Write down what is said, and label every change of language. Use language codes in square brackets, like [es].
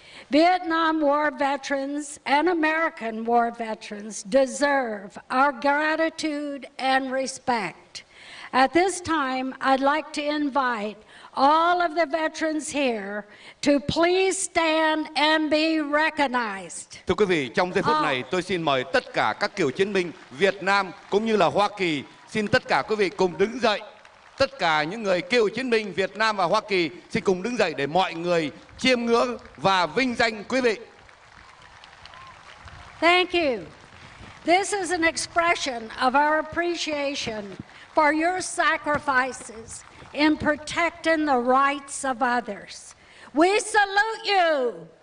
[en] Vietnam War veterans and American war veterans deserve our gratitude and respect. At this time, I'd like to invite all of the veterans here to please stand and be recognized. [vi] Thưa quý vị, trong giây phút này, tôi xin mời tất cả các cựu chiến binh Việt Nam cũng như là Hoa Kỳ, xin tất cả quý vị cùng đứng dậy tất cả những người cựu chiến binh Việt Nam và Hoa Kỳ xin cùng đứng dậy để mọi người chiêm ngưỡng và vinh danh quý vị. [en] Thank you. This is an expression of our appreciation for your sacrifices in protecting the rights of others. We salute you.